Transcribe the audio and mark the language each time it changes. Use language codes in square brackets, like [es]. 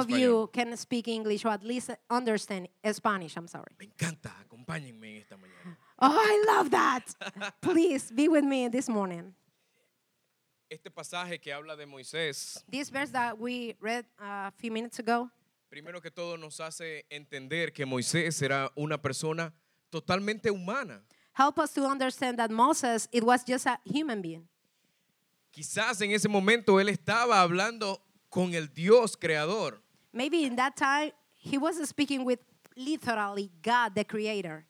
[en] Of you can speak English or at least understand Spanish. I'm sorry. [es] Me encanta. Acompáñenme esta mañana. [en] Oh, I love that. Please be with me this morning. [es] Este pasaje que habla de Moisés. [en] This verse that we read a few minutes ago. [es] Primero que todo nos hace entender que Moisés era una persona totalmente humana. [en] Help us to understand that Moses, it was just a human being. [es] Quizás en ese momento él estaba hablando con el Dios creador. [en] Maybe in that time he was speaking with literally God the creator.